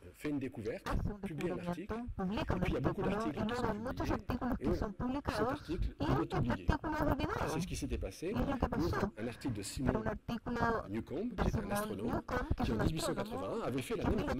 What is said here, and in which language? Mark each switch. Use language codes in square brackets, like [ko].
[fr] fait une découverte, publie un article, [es] publica, [fr] puis il y a beaucoup d'articles qui sont [es] muchos artículos que son publicados y otros artículos olvidados. [fr] C'est ce qui s'était passé. Un article de Simon Newcomb, qui est un astronome, qui en 1881 avait fait la même